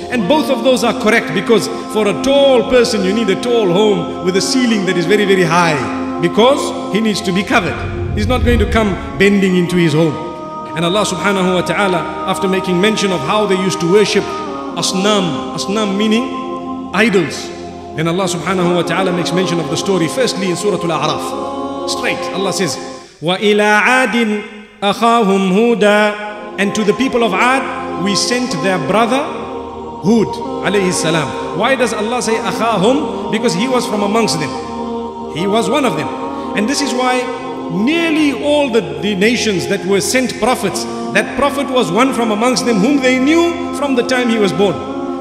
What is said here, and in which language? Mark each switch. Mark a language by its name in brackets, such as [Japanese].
[English] And both of those are correct, because for a tall person, you need a tall home with a ceiling that is very, very high, because he needs to be covered. He's not going to come bending into his home. And Allah subhanahu wa ta'ala, after making mention of how they used to worship asnam, asnam meaning idols, then Allah subhanahu wa ta'ala makes mention of the story, firstly in Surah Al-A'raf. Straight, Allah says, [Arabic] وَإِلَىٰ عَادٍ أَخَاهُمْ هُودًا. [English] And to the people of Ad, we sent their brother Hud alayhi salam. Why does Allah say أَخَاهُمْ? Because he was from amongst them. He was one of them. And this is why nearly all the nations that were sent prophets, that prophet was one from amongst them whom they knew from the time he was born.